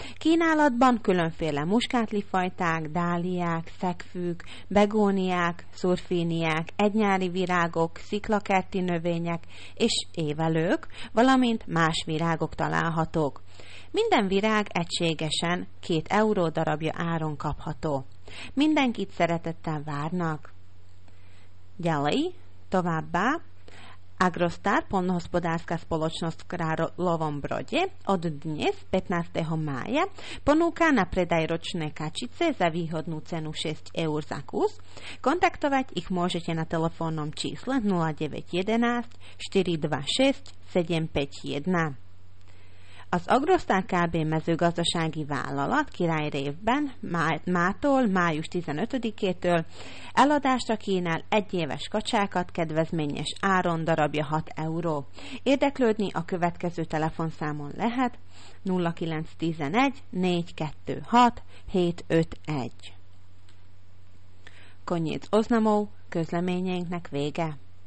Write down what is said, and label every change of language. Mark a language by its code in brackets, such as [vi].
[hu] Kínálatban különféle muskátlifajták, dáliák, szegfűk, begóniák, szurfíniák, egynyári virágok, sziklakerti növények és évelők, valamint más virágok találhatók. Minden virág egységesen 2 euró darabja áron kapható. Mindenkit szeretettel várnak. [sk] Ďalej, [hu] továbbá, [sk] Agrostar poľnohospodárska spoločnosť v Kráľovom Brode od dnes 15. mája ponúka na predaj ročné kačice za výhodnú cenu 6 eur za kus. Kontaktovať ich môžete na telefónnom čísle 0911 426 751. [hu] Az Agrostar KB mezőgazdasági vállalat Király Révben mától május 15-től eladásra kínál egyéves kacsákat kedvezményes áron darabja 6 euró. Érdeklődni a következő telefonszámon lehet 0911 426 751. [sk] Koniec oznamov, [hu] közleményeinknek vége.